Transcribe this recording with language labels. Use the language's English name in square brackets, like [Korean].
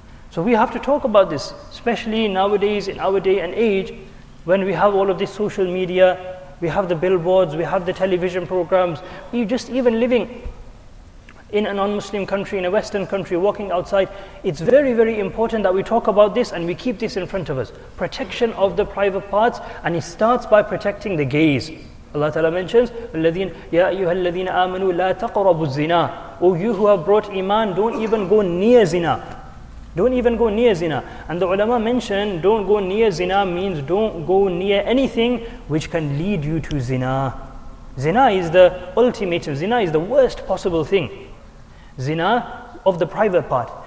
[English] So we have to talk about this, especially nowadays in our day and age when we have all of this social media, we have the billboards, we have the television programs, we just even living in a non-Muslim country, in a Western country, walking outside, it's very, very important that we talk about this and we keep this in front of us. Protection of the private parts, and it starts by protecting the gaze. Allah Ta'ala mentions, [Arabic] يَا أَيُّهَا الَّذِينَ آمَنُوا لَا تَقْرَبُوا الزِّنَا. [English] O you who have brought iman, don't even go near zina. Don't even go near zina. And the ulama mention, don't go near zina means don't go near anything which can lead you to zina. Zina is the ultimate, zina is the worst possible thing. Zina of the private part.